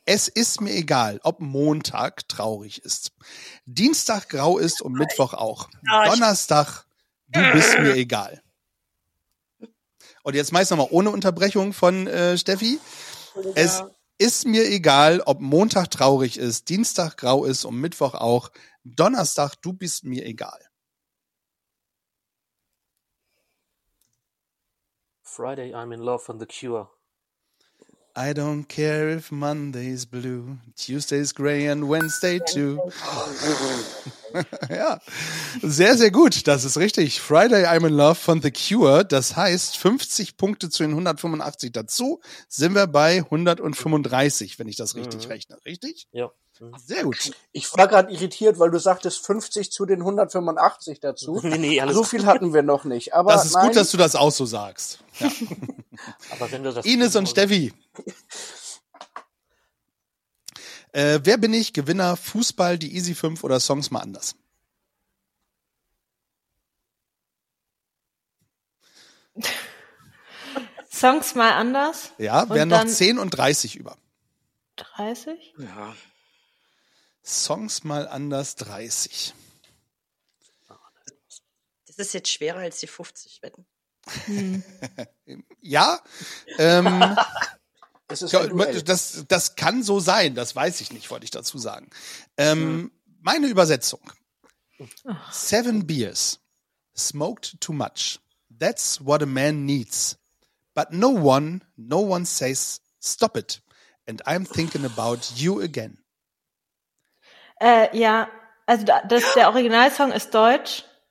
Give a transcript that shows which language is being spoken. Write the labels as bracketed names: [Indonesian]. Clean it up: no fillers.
[German] Es ist mir egal, ob Montag traurig ist, Dienstag grau ist und Mittwoch auch, Donnerstag, du bist mir egal. Und jetzt meist nochmal ohne Unterbrechung von Steffi. Es ist mir egal, ob Montag traurig ist, Dienstag grau ist und Mittwoch auch, Donnerstag, du bist mir egal. [English] Friday, I'm in love from The Cure. I don't care if Monday is blue, Tuesday is gray and Wednesday too. [German] Ja, sehr, sehr gut, das ist richtig. Friday, I'm in love von The Cure, das heißt 50 Punkte zu den 185 dazu, sind wir bei 135, wenn ich das richtig rechne, richtig? Ja. Sehr gut. Ich war gerade irritiert, weil du sagtest 50 zu den 185 dazu. Nee, alles so viel hatten wir noch nicht. Aber das ist gut, dass du das auch so sagst. Ja. Aber wenn du das Ines und Steffi. wer bin ich? Gewinner, Fußball, die Easy 5 oder Songs mal anders? Songs mal anders? Ja, wären noch 10 und 30 über. 30? Ja. Songs mal anders 30. Das ist jetzt schwerer als die 50, wetten. Ja. Das kann so sein, das weiß ich nicht, wollte ich dazu sagen. Meine Übersetzung. [English] Seven beers, smoked too much, that's what a man needs. But no one says stop it, and I'm thinking about you again. [German] Ja, also das, der Originalsong ist deutsch.